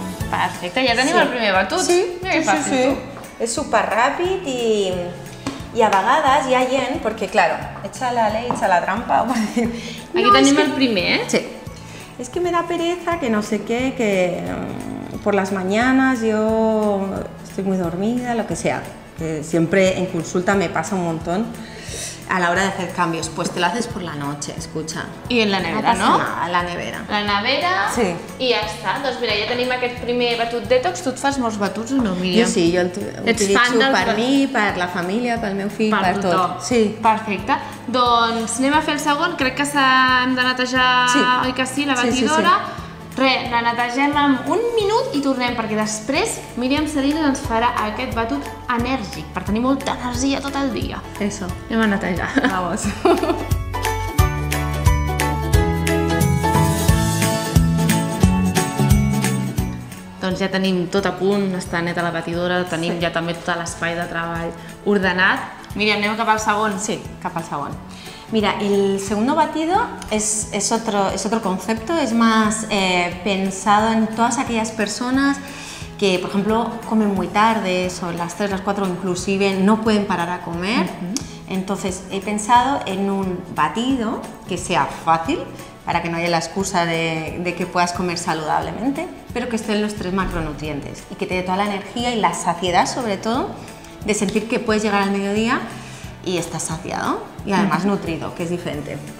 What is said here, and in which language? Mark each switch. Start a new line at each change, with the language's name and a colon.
Catalan: Perfecto, ya tenim el primer batut. Sí, mira, sí, sí. És super ràpid i a vegades hi ha gent, perquè claro,
Spanish: echa la ley, echa la trampa.
Catalan: Aquí no, tenim el primer, eh? Sí.
Spanish: Es que me da pereza, que no sé qué, que por las mañanas yo estoy muy dormida, lo que sea. Que siempre en consulta me pasa un montón a la hora de hacer cambios. Pues te lo haces por la noche, escucha. Y en la nevera, ¿no? No pasa nada, la nevera. La nevera, sí. Y ya está. Pues mira, ya tenemos
Catalan: aquest primer batut detox. ¿Tú te fas molts batuts o no, Miriam?
Spanish: Yo sí, yo utilizo para mí, para la familia, para
Catalan: el meu fill,
Spanish: para todo. Sí. Perfecto.
Catalan: Doncs anem a fer el segon, crec que hem de netejar, sí. Oi que sí, la batidora. Sí, sí, sí. Res, la netegem en un minut i tornem, perquè després Míriam Salinas ens farà aquest batut enèrgic, per tenir molta energia tot el dia.
Spanish: Eso.
Catalan: Anem a netejar.
Spanish: Vamos.
Catalan: Doncs ja tenim tot a punt, està neta la batidora, tenim sí. Ja també tot l'espai de treball ordenat. Miriam, anem cap al segon. Sí, cap al segon.
Spanish: Mira, el segundo batido es otro concepto, es más pensado en todas aquellas personas que, por ejemplo, comen muy tarde, son las 3, las 4, inclusive no pueden parar a comer. Entonces he pensado en un batido que sea fácil, para que no haya la excusa de que puedas comer saludablemente, pero que estén los tres macronutrientes y que te dé toda la energía y la saciedad, sobre todo, de sentir que puedes llegar al mediodía y estás saciado y además nutrido, que es diferente.